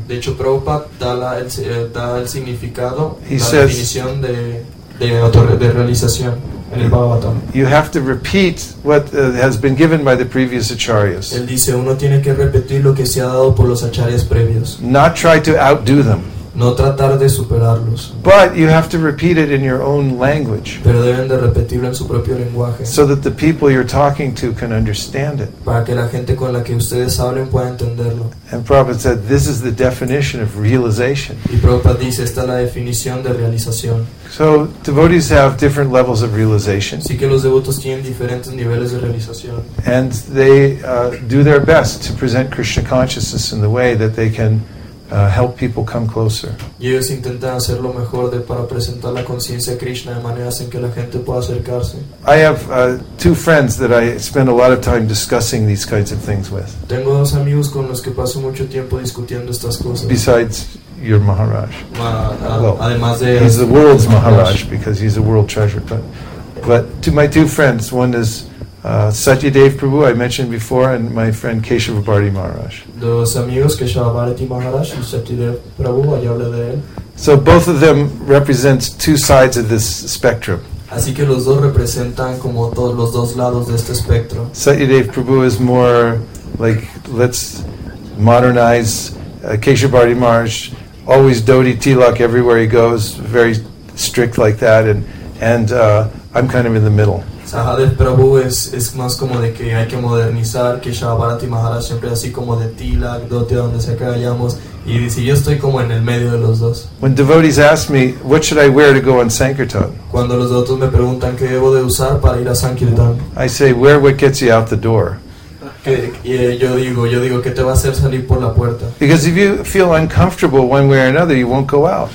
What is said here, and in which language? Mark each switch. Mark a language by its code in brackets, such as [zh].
[es] De hecho, Prabhupada da el significado, definición de realización en el Bhagavatam. [en] You have to repeat what has been given by the previous acharyas. [es] Él dice, uno tiene que repetir lo que se ha dado por los acharyas previos. [en] Not try to outdo them. [es] No tratar de superarlos. [en] But you have to repeat it in your own language. [es] Pero deben de repetirlo en su propio lenguaje. [en] So that the people you're talking to can understand it. [es] Para que la gente con la que ustedes hablen pueda entenderlo. [en] And Prabhupada said, this is the definition of realization. [es] Y Prabhupada dice, esta es la definición de realización. [en] So devotees have different levels of realization. [es] Así que los devotos tienen diferentes niveles de realización. [en] And they do their best to present Krishna consciousness in the way that they can help people come closer. [es] Y ellos intentan hacer lo mejor de para presentar la conciencia de Krishna de maneras en que la gente pueda acercarse. [en] I have two friends that I spend a lot of time discussing these kinds of things with. [es] Tengo dos amigos con los que paso mucho tiempo discutiendo estas cosas. [en] Besides your Maharaj. [es] Además de. [en] He's the world's Maharaj because he's a world treasure. But to my two friends, one is Satyadev Prabhu, I mentioned before, and my friend Keshava Bharati Maharaj. [es] Dos amigos, Keshava Bharati Maharaj y Satyadev Prabhu, ahí hablé de él. [en] So both of them represent two sides of this spectrum. [es] Así que los dos representan como los dos lados de este espectro. [en] Satyadev Prabhu is more like, let's modernize. Keshava Bharati Maharaj, always Dodi Tilak everywhere he goes, very strict like that, and I'm kind of in the middle. [es] Sahadev Prabhu es más como de que hay que modernizar, que Shabharati Maharaj siempre así como de Tilak, Doti, donde sea que vayamos, y dice, yo estoy como en el medio de los dos. [en] When devotees ask me, what should I wear to go on Sankirtan? [es] Cuando los devotos me preguntan qué debo de usar para ir a Sankirtan, [en] I say, wear what gets you out the door. [es] Yo digo que te va a hacer salir por la puerta. [en] Because if you feel uncomfortable one way or another, you won't go out.